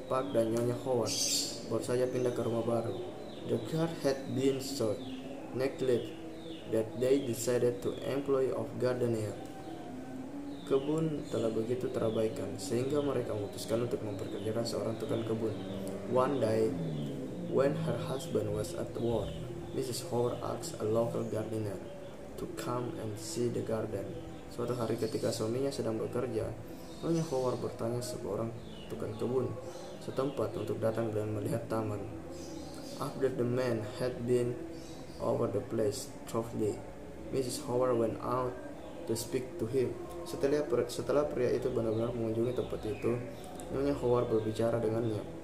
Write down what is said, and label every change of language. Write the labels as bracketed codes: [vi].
[id] Park dan Nyonya Howard baru saja pindah ke rumah baru. [en] The guard had been so neglected that they decided to employ a gardener. [id] Kebun telah begitu terabaikan sehingga mereka memutuskan untuk memperkerjakan seorang tukang kebun. [en] One day, when her husband was at work, Mrs. Howard asked a local gardener to come and see the garden. [id] Suatu hari ketika suaminya sedang bekerja, Nyonya Howard bertanya seorang tukang kebun setempat untuk datang dan melihat taman. [en] After the man had been over the place thoroughly, Mrs. Howard went out to speak to him. [id] Setelah pria itu benar-benar mengunjungi tempat itu, Nyonya Howard berbicara dengannya.